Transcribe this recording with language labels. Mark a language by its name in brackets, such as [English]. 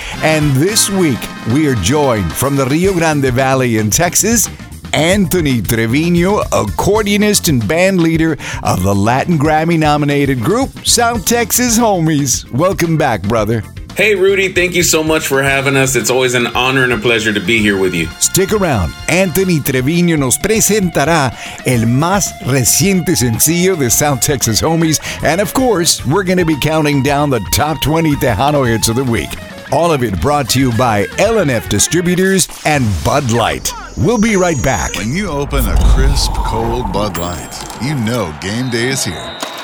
[English] And this week, we are joined from the Rio Grande Valley in Texas, Anthony Treviño, accordionist and band leader of the Latin Grammy-nominated group South Texas Homies. Welcome back, brother. Hey, Rudy, thank you so much for having us. It's always an honor and a pleasure to be here with you. Stick around. [Spanish] Anthony Treviño nos presentará el más reciente sencillo de South Texas Homies. [English] And of course, we're going to be counting down the top 20 Tejano hits of the week. All of it brought to you by L&F Distributors and Bud Light. We'll be right back. When you open a crisp, cold Bud Light, you know game day is here.